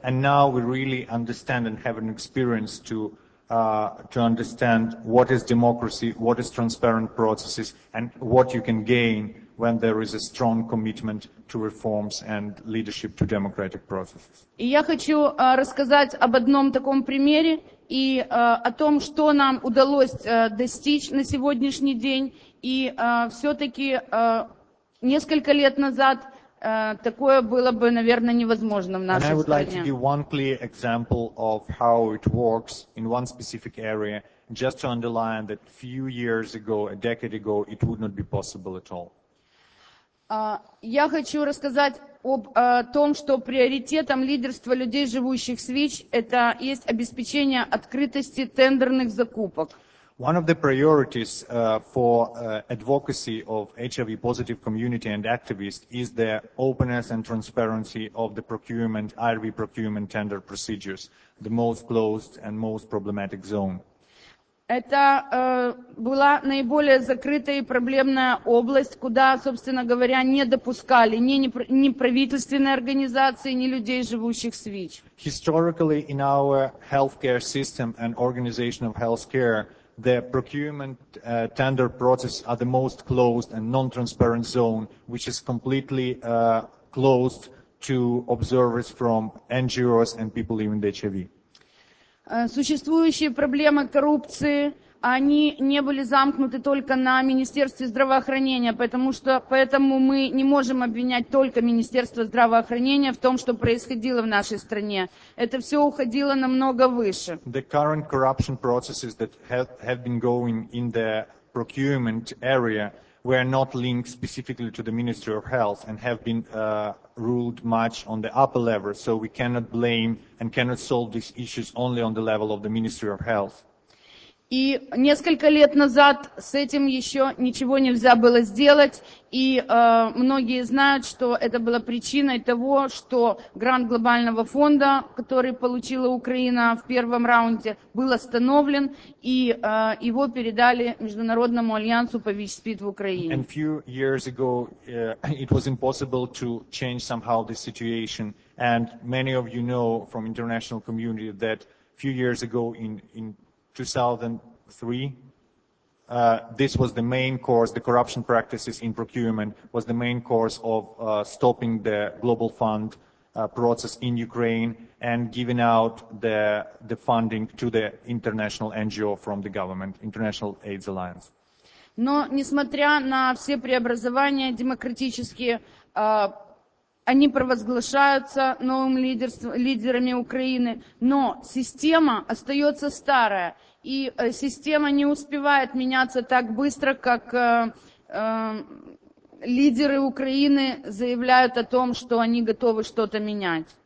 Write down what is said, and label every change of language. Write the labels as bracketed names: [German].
[English] And now we really understand and have an experience to understand what is democracy, what is transparent processes and what you can gain when there is a strong commitment to reforms and leadership to democratic processes. [Russian] И я хочу рассказать об одном таком примере. И о том, что нам удалось достичь на сегодняшний день. И все-таки несколько лет назад такое было бы, наверное, невозможно в нашей стране. [English] I would like to give one clear example of how it works in one specific area, just to underline that few years ago, a decade ago, it would not be possible at all. [Russian] Я хочу рассказать об том, что приоритетом лидерства людей, живущих с ВИЧ, это есть обеспечение открытости тендерных закупок. [English] One of the priorities for advocacy of HIV positive community and activists is the openness and transparency of the procurement, IRV procurement tender procedures, the most closed and most problematic zone. [Russian] Это была наиболее закрытая и проблемная область, куда, собственно говоря, не допускали ни правительственные организации, ни людей, живущих с ВИЧ. [English] Historically, in our healthcare system and organization of healthcare, the procurement tender process are the most closed and non-transparent zone, which is completely closed to observers from NGOs and people living with HIV. [Russian] Существующие проблемы коррупции, они не были замкнуты только на Министерстве здравоохранения, поэтому мы не можем обвинять только Министерство здравоохранения в том, что происходило в нашей стране. Это все уходило намного выше. [English] The current corruption processes that have been going in the procurement area were not linked specifically to the Ministry of Health and have been ruled much on the upper level, so we cannot blame and cannot solve these issues only on the level of the Ministry of Health. [Russian] И несколько лет назад с этим еще ничего нельзя было сделать, и многие знают, что это было причиной того, что грант глобального фонда, который получила Украина в первом раунде, был остановлен, и его передали Международному альянсу по ВИЧ-СПИД в Украине. [English] And few years ago, it was impossible to change somehow the situation, and many of you know from international community that few years ago in 2003, this was the main cause, the corruption practices in procurement was the main cause of stopping the global fund process in Ukraine and giving out the funding to the international NGO from the government, International AIDS Alliance. [Russian] Но несмотря на все преобразования демократические, они провозглашаются новым лидерами Украины, но система остается старая. И система не успевает меняться так быстро, как лидеры Украины заявляют о том, что они готовы что-то менять.